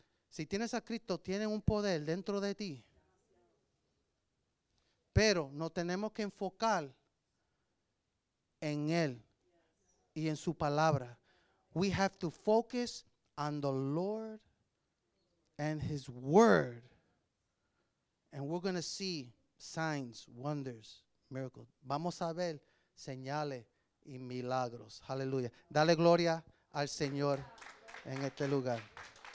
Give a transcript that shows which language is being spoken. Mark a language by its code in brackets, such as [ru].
[es] Si tienes a Cristo, tienes un poder dentro de ti. Pero nos tenemos que enfocar en Él y en su palabra. [en] We have to focus on the Lord and His Word. And we're going to see signs, wonders, miracles. [es] Vamos a ver señales y milagros. Hallelujah. Dale gloria al Señor en este lugar.